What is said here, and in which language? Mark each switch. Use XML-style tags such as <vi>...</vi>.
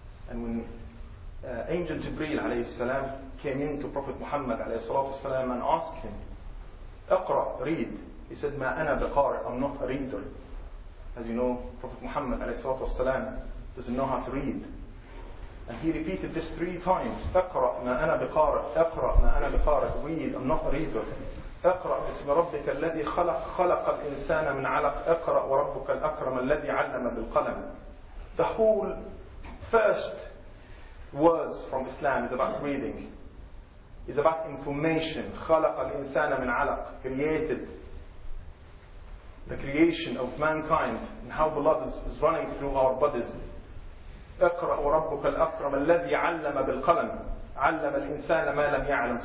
<en>And when Angel Jibreel alayhi salam came in to Prophet Muhammad alayhi salatu salam and asked him, aqra, read. He said,</en> <ar>ma ana biqari,</ar> <en>I'm not a reader. As you know, Prophet Muhammad والسلام, doesn't know how to read. And he repeated this three times.</en> <ar>اقرأ ما أنا بقارئ. اقرأ ما أنا بقارئ.</ar> <en>Read, I'm not a reader.</en> <ar>اقرأ بسم ربك الذي خلق خلق الإنسان من علق. اقرأ وربك الأكرم الذي علم بالقلم.</ar> <en>The whole first words from Islam is about reading. It's about information.</en> <ar>خلق الإنسان من علق.</ar> <en>Created. The creation of mankind and how blood is running through our bodies.</en> <ar>اقرأ وربك الأكرم الذي علم بالقلم علم الإنسان ما لم يعلم.</ar>